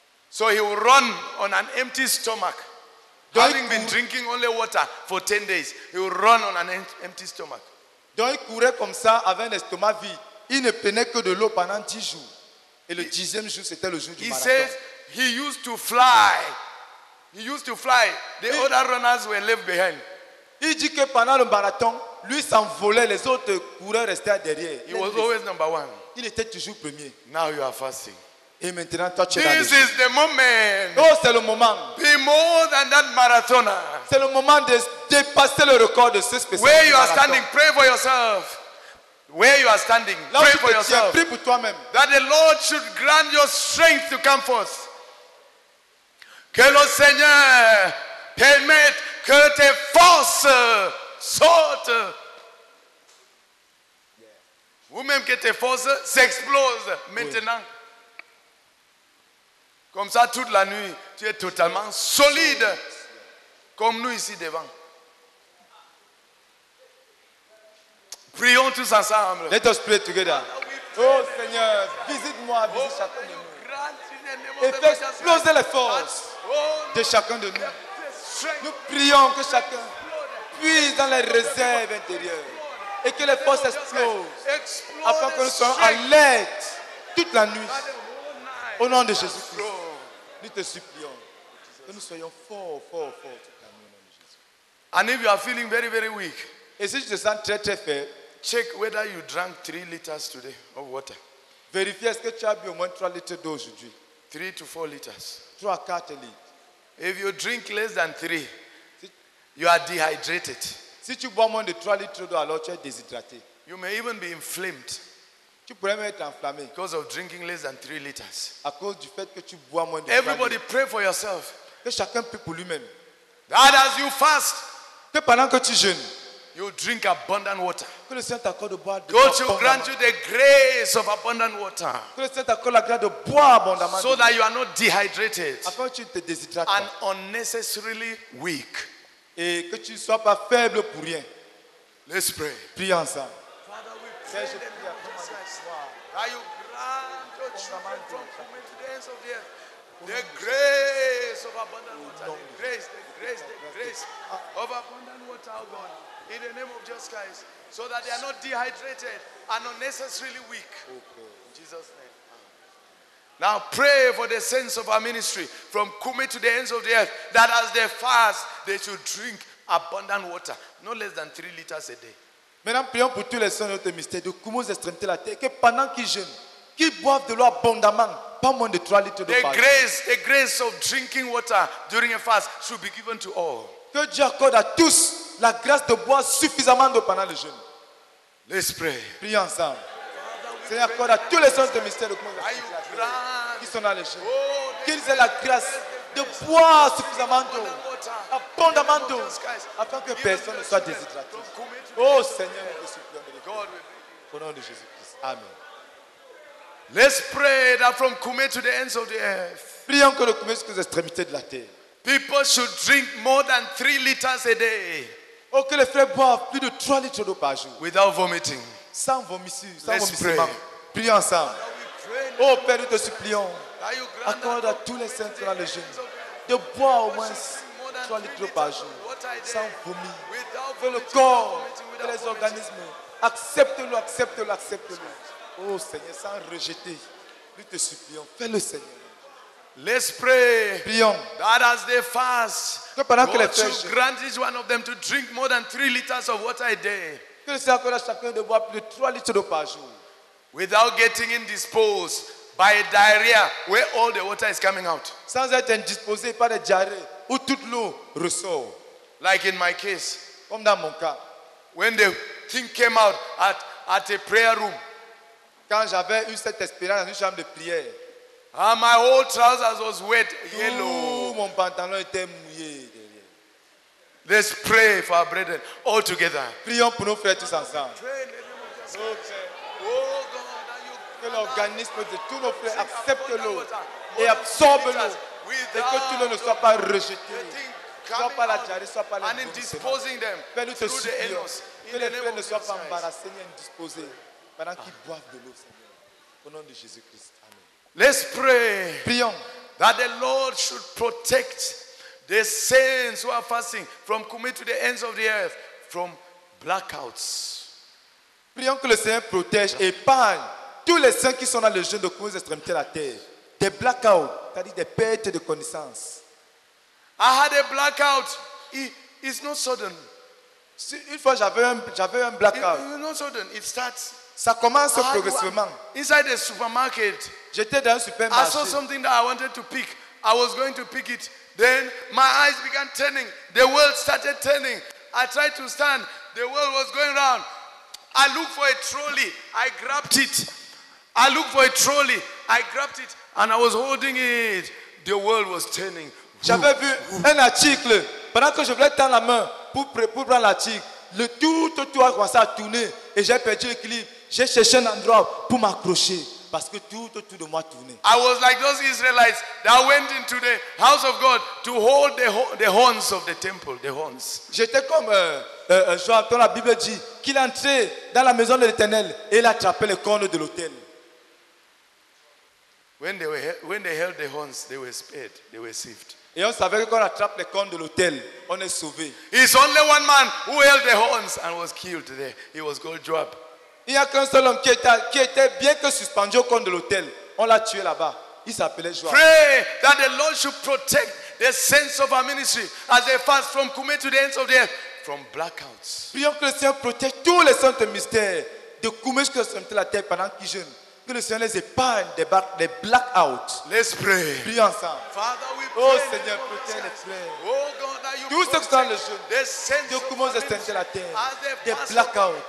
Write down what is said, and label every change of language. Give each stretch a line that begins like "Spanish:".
English: So he would run on an empty stomach. Having been drinking only water for 10 days, he would run on an empty stomach.
French: Donc il courait comme ça avec un estomac vide. Il ne prenait que de l'eau pendant 10 jours. Et le 10e jour, c'était le jour du marathon.
English: He says he used to fly. He used to fly. The other runners were left behind.
French: Il dit que pendant le marathon, lui s'envolait, les autres coureurs restaient derrière.
English: He was always number one.
French: Il était toujours premier.
English: Now you are fasting.
French: Et maintenant, toi,
English: this is the moment.
French: Oh, c'est le moment.
English: Be more than that marathoner.
French: C'est le moment de dépasser le record de ce spécialiste.
English: Where you are standing, pray for yourself. Where you are standing,
French: là
English: pray for yourself.
French: Prie pour toi-même.
English: That the Lord should grant your strength to come forth.
French: Que le Seigneur permette que tes forces sortent. Yeah. Vous-même que tes forces s'explosent maintenant. Oui. Comme ça, toute la nuit, tu es totalement solide, comme nous ici devant. Prions tous ensemble.
English: Let us pray together.
French: Oh Seigneur, visite-moi, visite chacun de nous. Et fais exploser les forces de chacun de nous. Nous prions que chacun puise dans les réserves intérieures et que les forces explosent afin que nous soyons alerte toute la nuit. Au nom de Jésus-Christ. Nous te supplions que nous soyons forts, forts, forts.
English: And if you are feeling very, very weak,
French: et si tu te sens très, très faible,
English: check whether you drank 3 liters today of water.
French: Vérifie est-ce que tu as bu au moins 3 litres d'eau aujourd'hui.
English: 3 to 4 liters.
French: 3 à 4 litres.
English: If you drink less than 3, you are dehydrated.
French: Si tu bois moins de 3 litres d'eau, alors tu es déshydraté.
English: You may even be inflamed.
French: Tu pourrais même être enflammé.
English: Because of drinking less than 3 liters.
French: À cause du fait que tu bois moins de.
English: Everybody pray for yourself.
French: Que chacun prie pour lui-même.
English: That as you fast.
French: Que pendant que tu jeûnes.
English: You drink abundant water.
French: Que le Seigneur t'accorde de boire.
English: God will grant you the grace of abundant water.
French: Que le Seigneur t'accorde la grâce de boire abondamment.
English: So that you are not dehydrated.
French: Afin que tu te déshydrates.
English: And unnecessarily weak.
French: Et que tu ne sois pas faible pour rien.
English: Let's pray.
French: Prions ensemble.
English: Father, we pray. that you grant your children from the ends of the earth the grace of abundant water, the grace of abundant water, oh God, in the name of Jesus Christ, so that they are not dehydrated and unnecessarily weak. In Jesus' name. Now pray for the saints of our ministry from Kume to the ends of the earth, that as they fast, they should drink abundant water, no less than 3 liters a day.
French: Maintenant, prions pour tous les saints de notre ministère de Kume aux extrémités de la terre, que pendant qu'ils jeûnent, qu'ils boivent de l'eau abondamment, pas moins de 3 litres d'eau.
English: The grace of drinking water during a fast should be given to all.
French: Que Dieu accorde à tous la grâce de boire suffisamment d'eau pendant le jeûne.
English: Let's pray.
French: Prions ensemble. Seigneur, accorde à tous les saints de ministère de Kume aux extrémités de la terre qui sont dans les jeûnes, qu'ils aient la grâce de boire suffisamment d'eau, abondamment d'eau, afin que personne ne soit déshydraté. Oh Seigneur, je suis prié de Dieu. Au nom de Jésus-Christ. Amen.
English: Let's pray that from Kume to the ends of the earth.
French: Prions que de Kume jusqu'aux extrémités de la terre.
English: People should drink more than 3 liters a day.
French: Oh, que les frères boivent plus de 3 litres d'eau par jour.
English: Without vomiting.
French: Sans vomissure, sans vomissement.
English: Let's pray.
French: Prions ensemble. Oh Père, nous te supplions. Accorde à tous les saints dans le jeûne de boire au moins 3 litres d'eau par jour sans vomir. Que le corps et les organismes acceptent-le. Oh Seigneur, sans rejeter, nous te supplions. Fais-le Seigneur.
English: Let's pray.
French: Prions.
English: That as they fast,
French: que pendant que les frères
English: jeûnent, grant each one of them to drink more than 3 liters of water a day.
French: Que le Seigneur accorde à chacun de boire plus de 3 litres d'eau par jour.
English: Without getting indisposed by a diarrhea where all the water is coming out.
French: Sans être indisposé par la diarrhée où toute l'eau ressort.
English: Like in my case.
French: Comme dans mon cas.
English: When the thing came out at a prayer room.
French: Quand j'avais eu cette expérience dans une chambre de prière.
English: And my whole trousers was wet, yellow.
French: Tout mon pantalon était mouillé.
English: Let's pray for our brethren all together.
French: Prions pour nos frères tous ensemble.
English: Oh God, you
French: que l'organisme de tous nos frères accepte l'eau et absorbe l'eau et que tout l'eau ne soit pas rejeté, soit par la diarrhée, soit par l'indisposement. Père, nous te supplions que les frères ne soient pas embarrassés ni indisposés pendant qu'ils boivent de l'eau, Seigneur. Au nom de Jésus-Christ. Amen.
English: Let's pray.
French: Prions.
English: That the Lord should protect the saints who are fasting from coming to the ends of the earth from blackouts.
French: Prions que le Seigneur protège et épargne tous les saints qui sont dans le jeûne de cause extrémité de la terre. Des blackouts, c'est-à-dire des pertes de connaissance.
English: I had a blackout. It's not sudden.
French: Si, une fois j'avais un blackout.
English: It's not sudden. It starts.
French: Ça commence progressivement.
English: Inside the supermarket.
French: J'étais dans un supermarché.
English: I saw something that I wanted to pick. I was going to pick it. Then my eyes began turning. The world started turning. I tried to stand. The world was going round. I looked for a trolley. I grabbed it. And I was holding it. The world was turning.
French: J'avais vu un article. Pendant que je voulais tendre la main pour prendre l'article, le tout a commencé à tourner. Et j'ai perdu l'équilibre. J'ai cherché un endroit pour m'accrocher. Parce que tout autour de moi tournait.
English: I was like those Israelites that went into the house of God to hold the horns of the temple, the horns.
French: J'étais comme Joab, dont la Bible dit qu'il entrait dans la maison de l'Éternel et il attrapait les cornes de l'autel.
English: When they held the horns, they were spared, they were saved.
French: Et on savait que quand on attrape les cornes de l'autel, on est sauvé.
English: It's only one man who held the horns and was killed there. He was called Joab.
French: Il n'y a qu'un seul homme qui était bien que suspendu au coin de l'hôtel. On l'a tué là-bas. Il s'appelait Joab.
English: Pray that the Lord should protect the saints of our ministry as they fast from Kume to the ends of the earth from blackouts.
French: Prions que le Seigneur protège tous les saints de mystère de Kume jusqu'à ce que la terre pendant qu'ils jeûnent. Que le Seigneur les épargne des blackouts.
English: Let's pray.
French: Prions ensemble.
English: Father, we pray.
French: Oh Seigneur, protège les frères.
English: Oh God, are you
French: tous ceux qui sont dans le jeûne, de comment se sentir la terre, des blackouts.